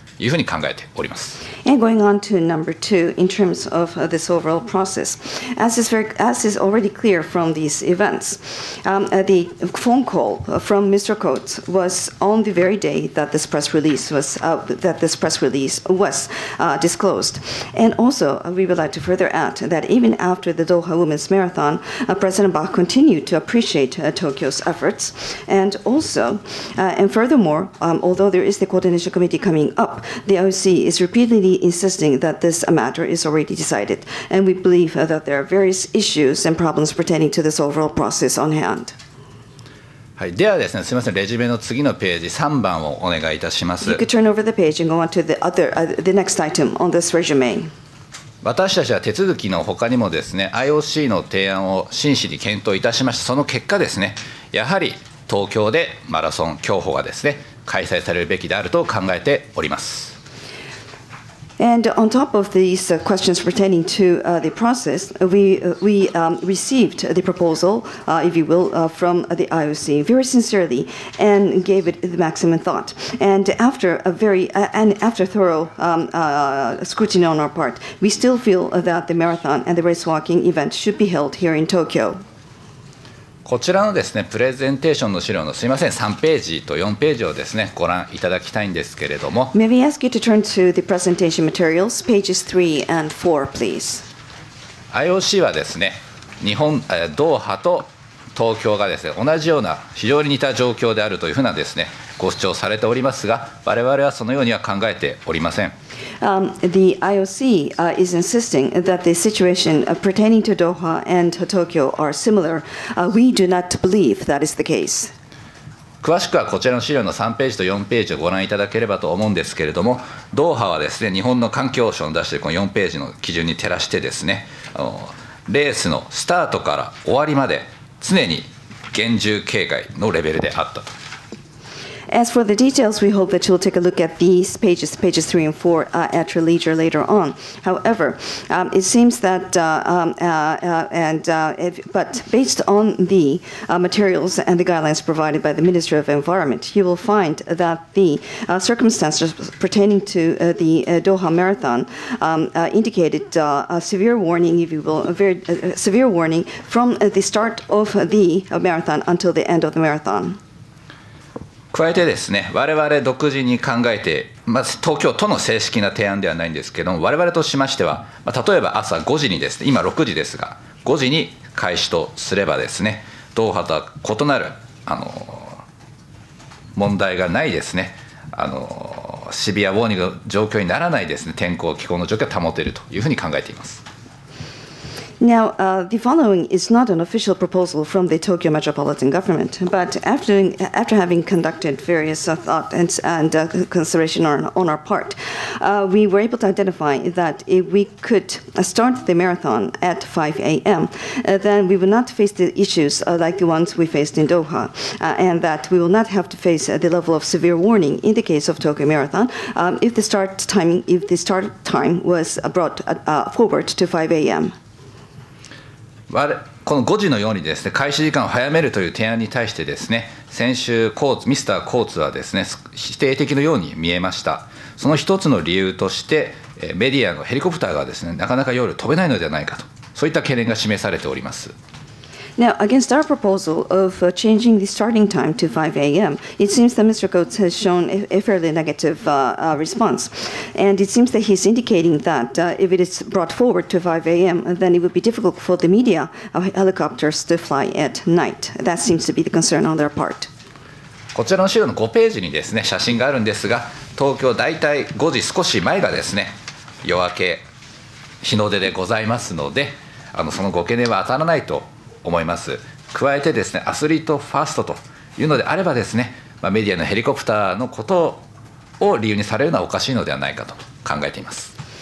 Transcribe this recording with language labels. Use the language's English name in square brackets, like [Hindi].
[Japanese] いうふうに考えております。 [English] And going on to number two, in terms of this overall process, as is already clear from these events, the phone call from Mr. Coates was on the very day that this press release was disclosed. And also, we would like to further add that even after the Doha Women's Marathon, President Bach continued to appreciate Tokyo's efforts. And also, and furthermore, although there is the coordination committee coming up. The IOC is repeatedly insisting that this matter is already decided, and we believe that there are various issues and problems pertaining to this overall process on hand. [Japanese] はい、ではですね、すみません、レジュメの次のページ3番をお願いいたします。 [English] You could turn over the page and go on to the other, the next item on this resume. [Japanese] 私たちは手続きの他にもですね、IOC の提案を真摯に検討いたしました。その結果ですね、やはり東京でマラソン競歩がですね。開催されるべきであると考えております。 [English] And on top of these questions pertaining to the process, we received the proposal, if you will, from the IOC very sincerely and gave it the maximum thought. And after a very after thorough scrutiny on our part, we still feel that the marathon and the race walking event should be held here in Tokyo. [Japanese] こちらのですね、プレゼンテーションの資料のすみません、3ページと4ページをですね、ご覧いただきたいんですけれども。 [English] May we ask you to turn to the presentation materials, pages 3 and 4, please. [Japanese] IOC はですね、日本、ドーハと東京がですね、同じような非常に似た状況であるというふうなですね、ご主張されておりますが、我々はそのようには考えておりません。 [English] The IOC is insisting that the situation pertaining to Doha and Tokyo are similar. We do not believe that is the case. [Japanese] 詳しくはこちらの資料の3ページと4ページをご覧いただければと思うんですけれども、ドーハはですね、日本の環境省の出しているこの4ページの基準に照らしてですね、レースのスタートから終わりまで常に厳重警戒のレベルであったと。 [English] As for the details, we hope that you'll take a look at these pages, pages 3 and 4, at your leisure later on. However, it seems that, but based on the materials and the guidelines provided by the Ministry of Environment, you will find that the circumstances pertaining to the Doha Marathon indicated a severe warning, if you will, a very severe warning from the start of the marathon until the end of the marathon. [Japanese] 加えてですね、我々独自に考えて、まず東京都の正式な提案ではないんですけども、我々としましては、例えば朝5時にですね、今6時ですが、5時に開始とすればですね、ドーハとは異なる問題がないですね、シビアウォーニング状況にならないですね、天候、気候の状況を保てるというふうに考えています。 [English] Now, the following is not an official proposal from the Tokyo Metropolitan Government, but after having conducted various thoughts and consideration on our part, we were able to identify that if we could start the marathon at 5 a.m., then we will not face the issues like the ones we faced in Doha, and that we will not have to face the level of severe warning in the case of Tokyo Marathon if the start time was brought forward to 5 a.m. [Japanese] この5時のようにですね、開始時間を早めるという提案に対してですね、先週コーツ、ミスターコーツはですね、否定的のように見えました。その一つの理由として、メディアのヘリコプターがですね、なかなか夜飛べないのではないかと、そういった懸念が示されております。 [English] Now, against our proposal of changing the starting time to 5 a.m., it seems that Mr. Coates has shown a fairly negative response. And it seems that he's indicating that if it is brought forward to 5 a.m., then it would be difficult for the media helicopters to fly at night. That seems to be the concern on their part. [Japanese] こちらの資料の5ページにですね、写真があるんですが、東京大体5時少し前がですね、夜明け、日の出でございますので、そのご懸念は当たらないと。思います。加えてですね、アスリートファーストというのであればですね、メディアのヘリコプターのことを理由にされるのはおかしいのではないかと考えています。